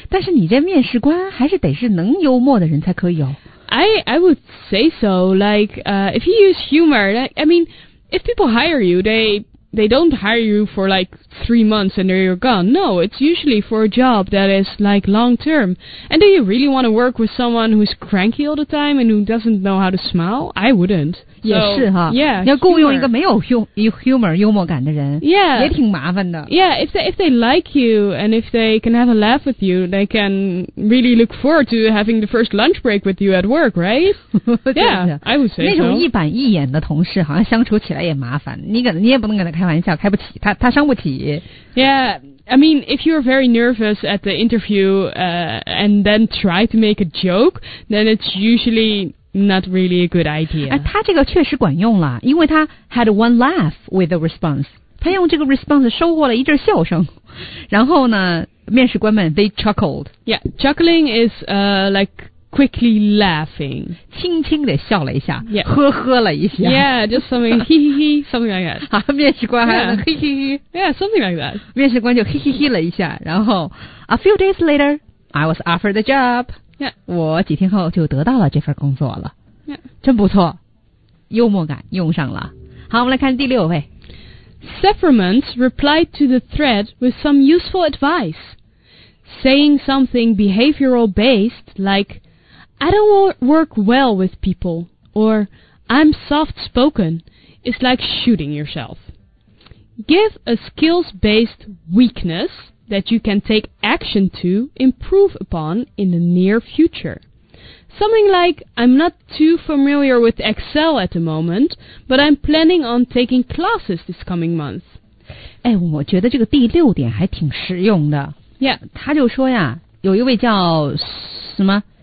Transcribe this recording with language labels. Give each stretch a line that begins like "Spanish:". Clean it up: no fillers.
Chinese: 但是你这面试官还是得是能幽默的人才可以哦。
English: I would say so, like, if you use humor, like, I mean, if people hire you, they don't hire you for like 3 months and then you're gone. No, it's usually for a job that is like long term. And do you really want to work with someone who's cranky all the time and who doesn't know how to smile? I wouldn't. So,
Chinese: 也是哈。
English: Yeah.
Chinese: 你要雇佣一个没有 humor, 幽默感的人。
English: Yeah.
Chinese: 也挺麻烦的。
English: Yeah, if they like you and if they can have a laugh with you, they can really look forward to having the first lunch break with you at work, right? yeah, I would say so.
Chinese: 那种一板一眼的同事好像相处起来也麻烦。你也不能跟他开玩笑，开不起，他伤不起。
English: Yeah, I mean, if you're very nervous at the interview, and then try to make a joke, then it's usually not really a good idea.
Chinese: 他这个确实管用了，因为他
English: had one laugh with the response.
Chinese: 他用这个 response 收获了一阵笑声，然后呢，面试官们
English: they chuckled. Yeah, chuckling is like. Quickly laughing.
Chinese: 轻轻地笑了一下
English: yeah.
Chinese: 呵呵了一下
English: Yeah, just something, hee hee hee, something like that.
Chinese: 好，面试官还能嘿嘿嘿
English: Yeah, something like that.
Chinese: 面试官就嘿嘿嘿了一下，然后
English: A few days later, I was offered the job. Yeah.
Chinese: 我几天后就得到了这份工作了。
English: Yeah.
Chinese: 真不错，幽默感用上了。好，我们来看第六位。
English: Sephermans replied to the thread with some useful advice, saying something behavioral based like,I don't work well with people, or I'm soft-spoken. It's like shooting yourself. Give a skills-based weakness that you can take action to improve upon in the near future. Something like, I'm not too familiar with Excel at the moment, but I'm planning on taking classes this coming month.
Chinese: 哎，我觉得这个第六点还挺实用的。
English: Yeah.
Chinese: 他就说呀，有一位叫什么？